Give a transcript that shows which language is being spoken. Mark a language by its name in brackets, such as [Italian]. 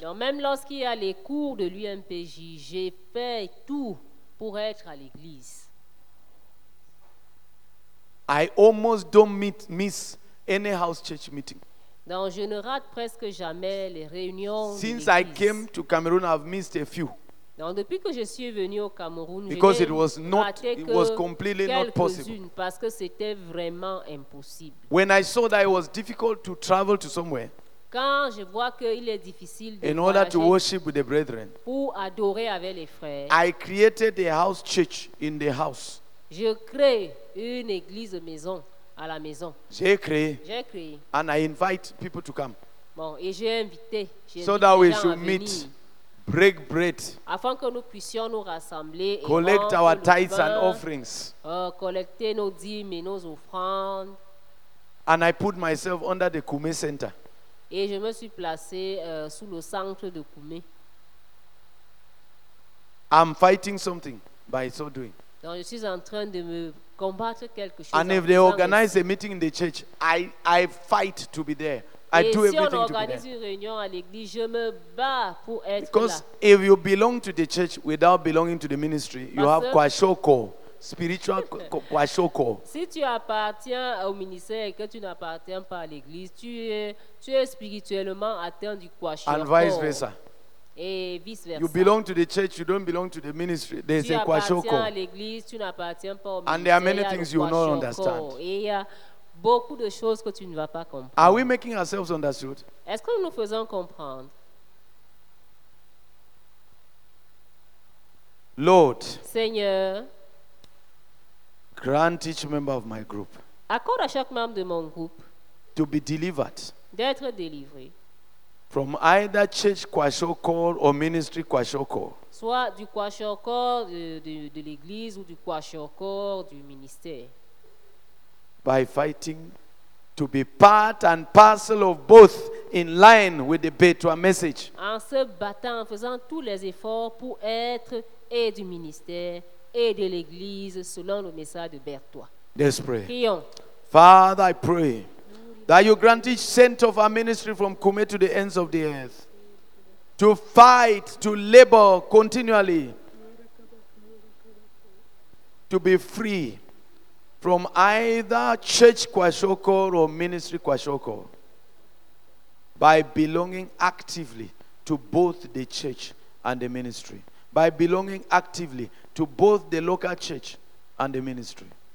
[French] Donc même lorsqu'il y a les cours de l'UMPJ, j'ai fait tout pour être à l'église. [English] I almost don't miss any house church meeting. [French] Donc je ne rate presque jamais les réunions. [English] Since I came to Cameroon, I've missed a few. [French] Donc depuis que je suis venu au Cameroun, [English] because [French] je [English] it was not, it was completely not possible. [French] Parce que c'était vraiment impossible. [English] When I saw that it was difficult to travel to somewhere, [French] quand je vois qu'il est difficile de [English] in order to worship with the brethren, [French] pour adorer avec les frères, [English] I created a house church in the house. [French] Je crée une église maison à la maison. J'ai créé, [English] and I invite people to come. [French] Bon, et j'ai invité [English] so that we should meet. Break bread. [French] Afin que nous puissions nous rassembler et [English] collect our tithes and offerings. [French] Collecter nos dîmes et nos offrandes. [English] And I put myself under the Kume Center. [French] Et je me suis placé sous le centre de Kume. [English] I'm fighting something by so doing. [French] Donc je suis en train de me combattre quelque chose. [English] And if they organize a meeting in the church, I fight to be there. I [French] et [English] do [French] si [English] everything [French] on organise une réunion à l'église, je me bats pour être [English] because [French] là. [English] Because if you belong to the church without belonging to the ministry, [French] parce [English] you have kwashoko, spiritual kwashoko. [French] Si tu appartiens au ministère et que tu n'appartiens pas à l'église, tu es spirituellement atteint du kwashoko. [English] And vice versa. [French] Et vice versa. [English] You belong to the church, you don't belong to the ministry. There's [French] tu [English] a kwashoko. [French] Tu appartiens à l'église, tu n'appartiens pas au ministère. [English] And there are many things you will not understand. [French] Et il y a beaucoup de choses que tu ne vas pas comprendre. [English] Are we making ourselves understood? [French] Est-ce que nous nous faisons comprendre? [English] Lord, [French] Seigneur, [English] grant each member of my group, [French] accorde à chaque membre de mon groupe, [English] to be delivered, [French] d'être délivré, [English] from either church kwashokor or ministry kwashokor, [French] soit du kwashokor de l'église ou du kwashokor du ministère, [English] by fighting to be part and parcel of both in line with the Betwa message, [French] en se battant, en faisant tous les efforts pour être et du ministère et de l'église selon le message de Betwa. [English] Let's pray. [French] Prions. [English] Father, I pray that you grant each saint of our ministry from Kume to the ends of the earth to fight, to labor continually, to be free from either church kwashokor or ministry kwashokor by belonging actively to both the church and the ministry, by belonging actively to both the local church and the ministry.